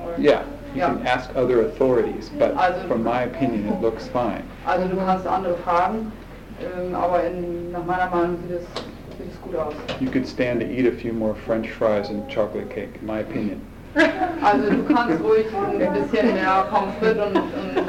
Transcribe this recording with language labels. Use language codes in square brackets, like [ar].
[en] You can ask other authorities, but also, from my opinion, it looks fine. [de] Also du kannst andere fragen, aber nach meiner Meinung sieht es gut aus. [en] You could stand to eat a few more French fries and chocolate cake. My opinion. [de] Also du kannst ruhig ein bisschen mehr Pommes frites und